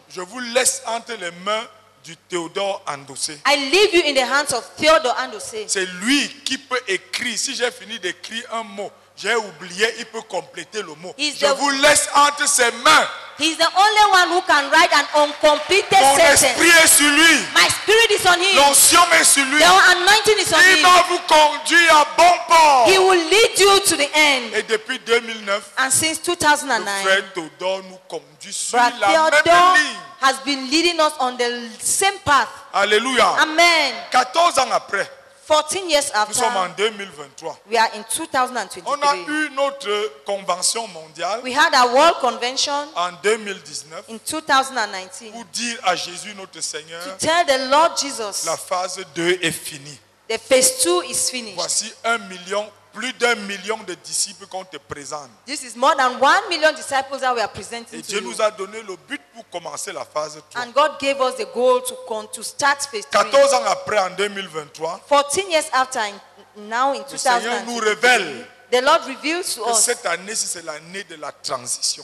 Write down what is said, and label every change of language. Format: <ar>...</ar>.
<fr>Je vous laisse entre les mains du Théodore Andossé.</fr> <en>I leave you in the hands of Theodore Andossé.</en> <fr>C'est lui qui peut écrire. Si j'ai fini d'écrire un mot, j'ai oublié, il peut compléter le mot. Je vous laisse entre ses mains.</fr> <en>He's the only one who can write an uncompleted</en> <fr>Mon</fr> <en>sentence.</en> <fr>Mon esprit est sur lui.</fr> <en>My spirit is on him.</en> <fr>L'onction est sur lui.</fr> <en>The anointing is on</en> <fr>il Il va vous conduire à bon port.</fr> <en>He will lead you to the end.</en> <fr>Et depuis 2009,</fr> <en>and since 2009,</en> <fr>le frère Theodore nous conduit sur Brad la Theodore même ligne.</fr> <en>Has been leading us on the same path.</en> <fr>Alléluia.</fr> <en>Amen.</en> <fr>14 ans après,</fr> <en>14 years after,</en> <fr>nous sommes en 2023.</fr> <en>We are in 2023.</en> <fr>On a eu notre convention mondiale.</fr> <en>We had a world convention</en> <fr>en 2019.</fr> <en>In 2019.</en> <fr>Pour dire à Jésus notre Seigneur.</fr> <en>To tell the Lord Jesus.</en> <fr>La phase 2 est finie.</fr> <en>The phase 2 is finished.</en> <fr>Voici 1 million, plus d'un million de disciples qu'on te présente.</fr> <en>This is more than 1 million disciples that we are presenting</en> <fr>Et</fr> <en>to</en> <fr>Dieu</fr> <en>you.</en> <fr>Nous a donné le but pour commencer la phase 3.</fr> <en>And God gave us the goal to start phase 3.</en> <fr>14 ans après, en 2023,</fr> <en>14 years after, now in 2020,</en> <fr>le Seigneur nous révèle</fr> <en>the Lord reveals to</en> <fr>que</fr> <en>us</en> <fr>cette année, c'est l'année de la transition.</fr>